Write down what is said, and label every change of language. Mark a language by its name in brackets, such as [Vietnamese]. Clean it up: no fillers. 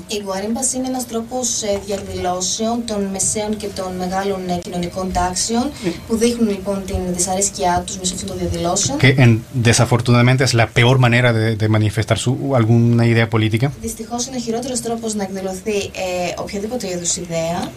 [Greek] Οι guarimbas είναι ένας τρόπος διαδηλώσεων των μεσαίων και των μεγάλων κοινωνικών τάξεων που δείχνουν λοιπόν την δυσαρέσκειά τους μέσω αυτών των διαδηλώσεων. [Spanish] Que desafortunadamente es la peor manera de manifestar alguna idea política. [Greek] Δυστυχώς είναι ο χειρότερος τρόπος να εκδηλωθεί οποιαδήποτε είδους ιδέα.